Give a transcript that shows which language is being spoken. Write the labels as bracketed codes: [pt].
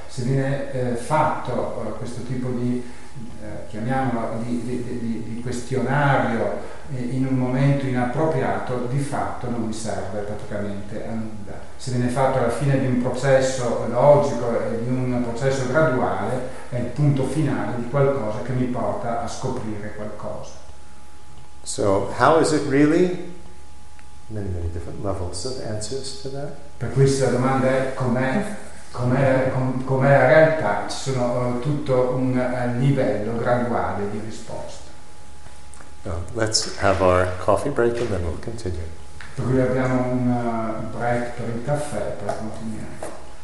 [it] Se viene fatto questo tipo di chiamiamolo di questionario in un momento inappropriato, di fatto non mi serve praticamente a nulla. Se viene fatto alla fine di un processo logico e di un processo graduale, è il punto finale di qualcosa che mi porta a scoprire qualcosa. [en] So, how is it really? Many, many different levels of answers to that. [it] Per questo la domanda è com'è la realtà, ci sono tutto un livello graduale di risposta. [en] Well, let's have our coffee break and then we'll continue. [it] Per cui abbiamo un break per il caffè per continuare.